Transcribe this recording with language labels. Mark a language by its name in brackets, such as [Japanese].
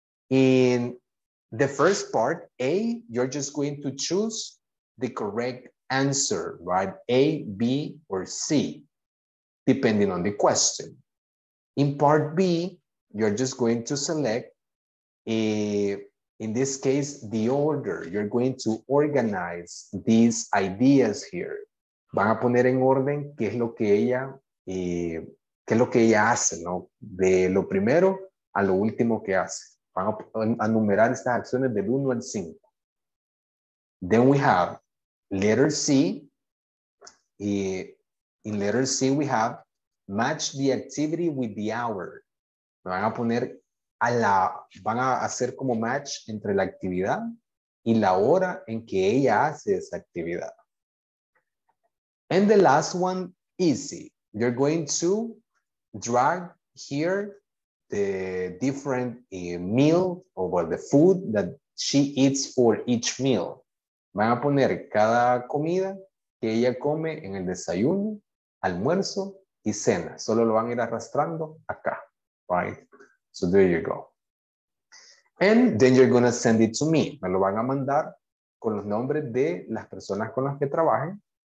[English] In the first part, A, you're just going to choose the correct answer, right? A, B, or C, depending on the question. In part B, you're just going to select, in this case, the order. You're going to organize these ideas here. [Spanish] Van a poner en orden qué es lo que ella hace, ¿no? De lo primero a lo último que hace. Van a numerar estas acciones del 1 al 5. Then we have letter C. [English] In letter C we have match the activity with the hour. [Spanish] Me van a poner a la, van a hacer como match entre la actividad y la hora en que ella hace esa actividad. [English] And the last one, easy. You're going to drag here the different meal or well, the food that she eats for each meal. [Spanish] Van a poner cada comida que ella come en el desayuno, almuerzo y cena. Solo lo van a ir arrastrando acá, right? So there you go. [English] And then you're going to send it to me. [Spanish] Me lo van a mandar con los nombres de las personas con las que trabajen.